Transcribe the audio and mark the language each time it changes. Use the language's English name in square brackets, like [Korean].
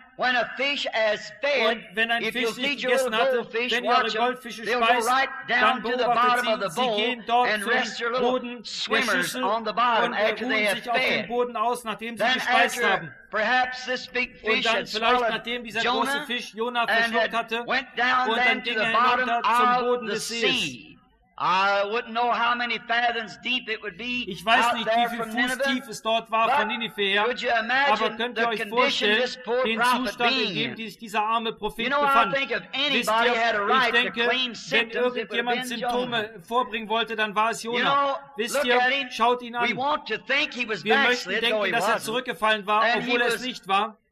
[German] Und wenn ein Fisch nicht gegessen hatte, wenn ihr eure Goldfische speist, dann beobachtet sie, sie gehen dort zum Boden der Schüssel und ruhen sich auf dem Boden aus, nachdem sie gespeist haben. Und dann vielleicht, nachdem dieser große Fisch Jona verschluckt hatte, und dann ging er hinunter zum Boden des Sees. [English] I wouldn't know how many fathoms deep it would be. [German] Ich weiß nicht, wie viel Fuß tief es dort war von Ninive her. Aber könnt ihr euch vorstellen, den Zustand, in dem sich dieser arme Prophet befand? Wisst ihr, ich denke, wenn irgendjemand Symptome vorbringen wollte, dann war es Jona. Wisst ihr, schaut ihn an. Wir möchten denken, dass er zurückgefallen war, obwohl er es nicht war.